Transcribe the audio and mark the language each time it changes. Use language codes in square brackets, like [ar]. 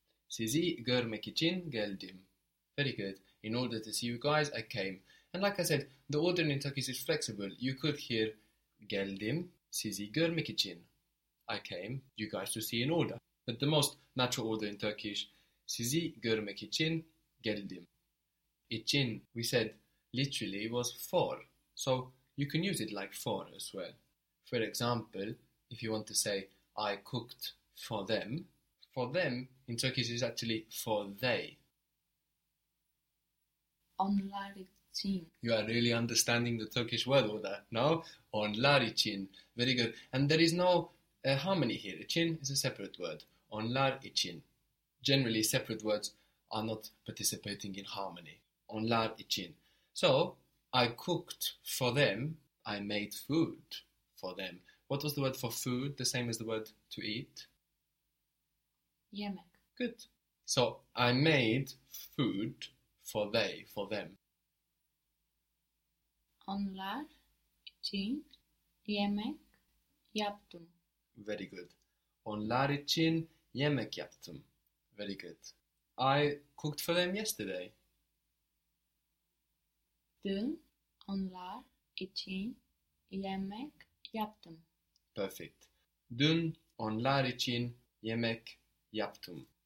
[tr] Sisi, görmek için, geldim. [en] Very good. In order to see you guys, I came. And like I said, the order in Turkish is flexible. You could hear, [tr] geldim, sizi görmek için. [en] I came, you guys to see in order. But the most natural order in Turkish, [tr] sizi görmek için, geldim. [en] İçin, we said, literally was for. So you can use it like for as well. For example, if you want to say, I cooked for them in Turkish is actually for they. [tr] Onlar için. [en] You are really understanding the Turkish word order, no? [tr] Onlar için. [en] Very good. And there is no harmony here. İçin is a separate word. [tr] Onlar için. [en] Generally, separate words are not participating in harmony. [tr] Onlar için. [en] So, I cooked for them. I made food for them. What was the word for food? The same as the word to eat? [tr] Yemek. [en] Good. So, I made food for they, for them. [tr] Onlar için yemek yaptım. [en] Very good. [tr] Onlar için yemek yaptım. [en] Very good. I cooked for them yesterday. [tr] Dün onlar için yemek yaptım. [en] Perfect. [tr] Dün onlar için yemek yaptım.